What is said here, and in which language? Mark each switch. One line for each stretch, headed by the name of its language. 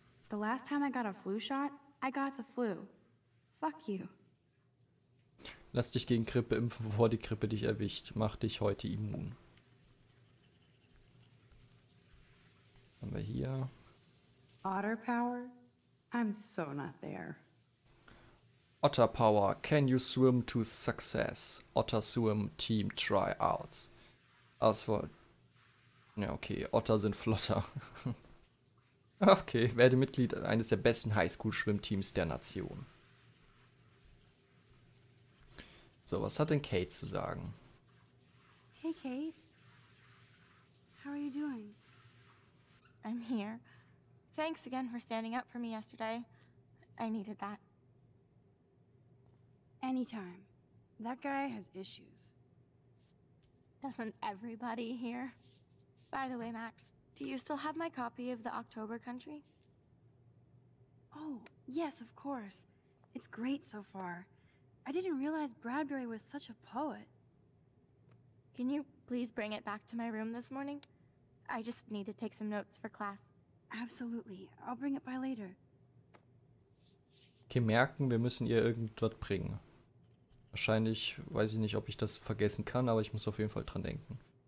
English: The last time I got a flu shot, I got the flu. Fuck you.
German: Lass dich gegen Grippe impfen, bevor die Grippe dich erwischt. Mach dich heute immun. Haben wir hier.
English: Otter power? I'm so not there. Otter power, can you swim to success? Otter swim team tryouts. As for...
German: Ja, okay, Otter sind flotter. Okay, werde Mitglied eines der besten Highschool-Schwimmteams der Nation. So, was hat denn Kate zu sagen?
English: Hey Kate, how are you doing? I'm here. Thanks again for standing up for me yesterday. I needed that. Anytime. That guy has issues. Doesn't everybody here? By the way, Max, do you still have my copy of the October Country? Oh, yes, of course. It's great so far. I didn't realize Bradbury was such a poet. Can you please bring it back to my room this morning? I just need to take some notes for class. Absolutely. I'll bring it by later.
German: Okay, merken, wir müssen ihr irgendwas bringen. Wahrscheinlich, weiß ich nicht, ob ich das vergessen kann, aber ich muss auf jeden Fall dran denken.